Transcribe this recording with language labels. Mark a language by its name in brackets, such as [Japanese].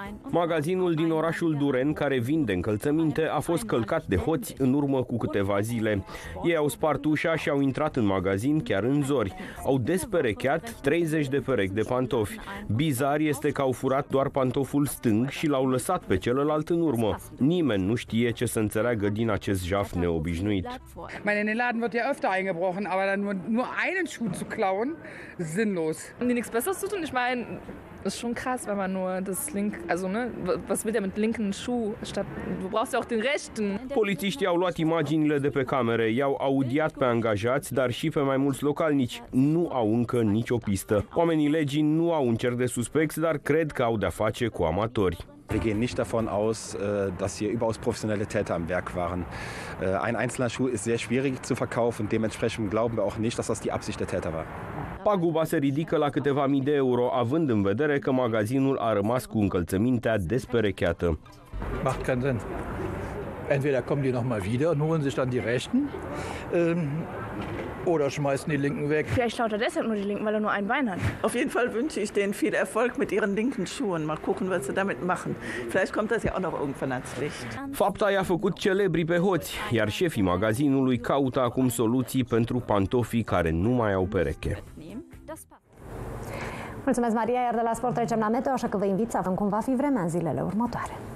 [Romanian] Magazinul din orașul Duren, care vinde încălțăminte, a fost călcat de hoți în urmă cu câteva zile. Ei au spart ușa și au intrat în magazin chiar în zori. Au desperecheat 30 de perechi de pantofi. Bizar este că au furat doar pantoful stâng și l-au lăsat pe celălalt în urmă. Nimeni nu știe ce să înțeleagă din acest jaf neobișnuit. [German] Meinen Laden wird ja öfter eingebrochen, aber dann nur einen Schuh zu klauen, sinnlos. Nix besseres zu tun, ich meine, ist schon krass, wenn man nur das linke, also ne, was will der mit linken Schuh statt, du brauchst ja auch den rechten. [Romanian] Polițiștii au luat imaginile de pe camere, i-au audiat pe angajați, dar și pe mai mulți localnici. Nu au încă nicio pistă. Oamenii legii nu au un cer de suspecți, dar cred că au de-a face cu amatori. [German] Wir gehen nicht davon aus, dass hier überaus professionelle Täter am Werk waren. Ein einzelner Schuh ist sehr schwierig zu verkaufen, dementsprechend glauben wir auch nicht, dass das die Absicht der Täter war. [Romanian] Paguba se ridică la câteva mii de euro, având în vedere că magazinul a rămas cu încălțămintea desperecheată. [German] Macht keinen Sinn. Entweder kommen die noch mal wieder und holen sich dann die rechten. Oder schmeißen die Linken weg. Vielleicht schaut er deshalb nur die Linken, weil er nur ein Bein hat. Auf jeden Fall wünsche ich denen viel Erfolg mit ihren linken Schuhen. Mal gucken, was sie damit machen. Vielleicht kommt das ja auch noch irgendwann ans Licht. [Romanian] Fapta i-a făcut celebri pe hoți, iar șefii magazinului caută acum soluții pentru pantofii care nu mai au pereche. Mulțumesc, Maria, iar de la sport trecem la meteo, așa că vă invit să avem cum va fi vremea în zilele următoare.